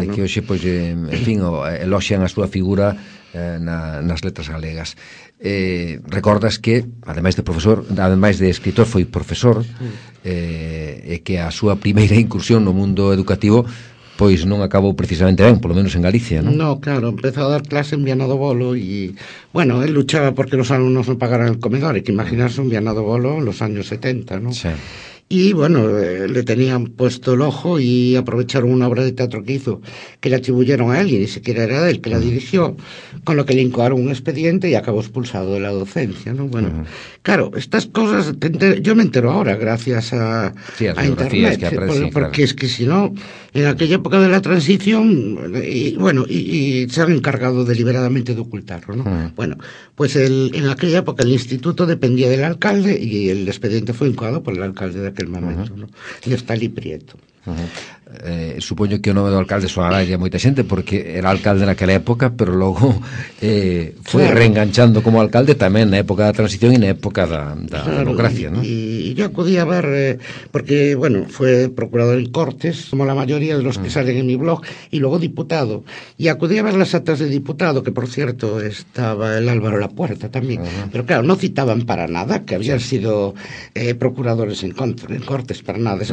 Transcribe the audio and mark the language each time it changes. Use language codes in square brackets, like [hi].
[gl] Que hoxe, pues, en fin, eloxan a súa figura nas letras galegas. Recordas que, ademais de escritor, foi profesor, que a súa primeira incursión no mundo educativo... Pois non acabou precisamente ben, polo menos en Galicia, non? No, claro, empezou a dar clase en Viana do Bolo e, bueno, [es] él luchaba porque [gl] os alumnos non pagaran el comedor, e que imaginarse un Viana do Bolo [es] en los años 70, [gl] non? [es] Sí. Y bueno, le tenían puesto el ojo y aprovecharon una obra de teatro que hizo, que le atribuyeron a alguien, ni siquiera era él que la dirigió, con lo que le incoaron un expediente y acabó expulsado de la docencia, ¿no? Bueno, claro, estas cosas, yo me entero ahora gracias a Internet, que aparecen, porque Es que si no, en aquella época de la transición, y se han encargado deliberadamente de ocultarlo, ¿no? Bueno, pues en aquella época el instituto dependía del alcalde y el expediente fue incoado por el alcalde. De aquel momento, ¿no? Neftalí Prieto. [gl] Supoño que o nome do alcalde soará a moita xente porque era alcalde naquela época, pero logo foi claro. Reenganchando como alcalde tamén na época da transición e na época da claro, democracia, ¿no? [es] Y yo acudí a ver porque bueno, fue procurador en Cortes, como la mayoría de los que salen en mi blog, y luego diputado, y acudí a ver las actas de diputado, que por cierto estaba el Álvaro Lapuerta también, pero claro, no citaban para nada que habían sido procuradores en Cortes, para nada.